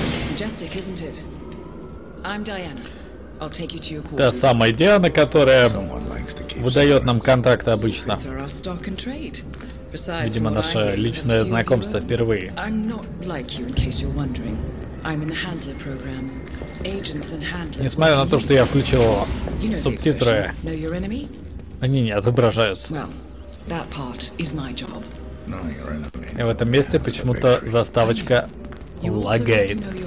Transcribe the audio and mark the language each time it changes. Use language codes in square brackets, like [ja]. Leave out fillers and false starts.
[en] Majestic, isn't it? I'm Diana. I'll take you to your quarters. [ru] Та самая Диана, которая выдает нам контакты обычно. Видимо, наше личное знакомство впервые. [en] I'm not like you, in case you're wondering. I'm in the handler program. Agents and handlers. [ru] Несмотря на то, что я включил субтитры, они не отображаются. [en] Well, that part is my job. [ru] И в этом месте почему-то заставочка лагает.